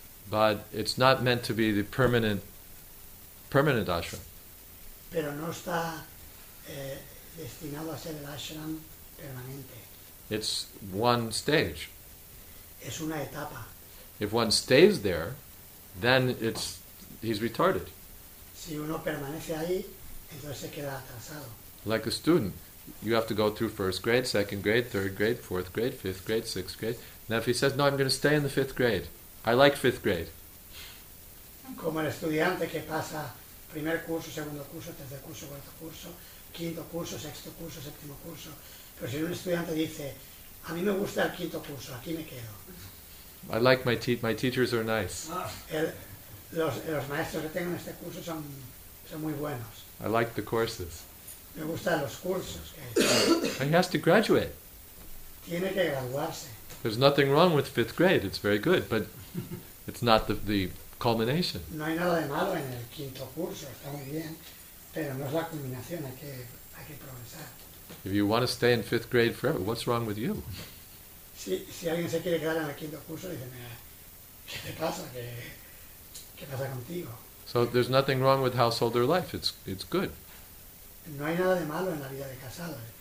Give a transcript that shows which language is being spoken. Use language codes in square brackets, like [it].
[en] But it's not meant to be the permanent ashram. [es] Pero no está destinado a ser el ashram permanente. [en] It's one stage. [es] Es una etapa. [en] If one stays there, then he's retarded. [es] Si uno permanece ahí, entonces se queda atrasado. [en] Like a student, you have to go through first grade, second grade, third grade, fourth grade, fifth grade, sixth grade. Now if he says, no, I'm going to stay in the fifth grade. I like fifth grade. [es] Como el estudiante que pasa primer curso, segundo curso, tercer curso, cuarto curso, quinto curso, sexto curso, séptimo curso. Pero si un estudiante dice, a mí me gusta el quinto curso, aquí me quedo. [en] I like my teachers are nice. [es] Los maestros que tengo en este curso son muy buenos. [en] I like the courses. [es] Me gustan los cursos. [en] He has to graduate. [es] Tiene que graduarse. [en] There's nothing wrong with fifth grade. It's very good, but it's not the culmination. [es] No hay nada de malo en el quinto curso. Está muy bien. Pero no es la culminación, hay que progresar. [en] If you want to stay in fifth grade forever, what's wrong with you? [es] Si alguien se quiere quedar en el quinto curso, dice, mira, ¿qué te pasa? ¿Qué pasa contigo? [en] So there's nothing wrong with householder life. It's good. [es] No hay nada de malo en la vida de casado.